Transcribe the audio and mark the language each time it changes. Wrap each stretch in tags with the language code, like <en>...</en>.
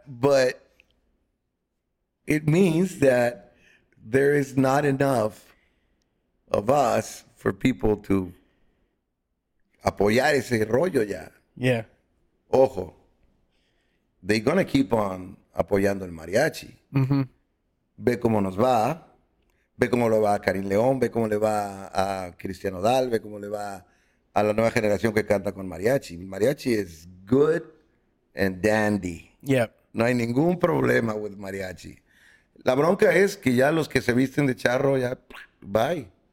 <en>But it means that there is not enough of us for people to</en> <es>apoyar ese rollo ya.</es> <en>Yeah.</en> <es>Ojo.</es> <en>They're going to keep on</en> <es>apoyando el mariachi. Mm-hmm. Ve cómo nos va. Ve cómo lo va a Karim León. Ve cómo le va a Cristiano Dal. Ve cómo le va a la nueva generación que canta con mariachi.</es> <en>Mariachi is good and dandy. Yeah.</en> <es>No hay ningún problema</es> <en>with mariachi.</en> <es>La bronca es que ya los que se visten de charro, ya, bye.</es>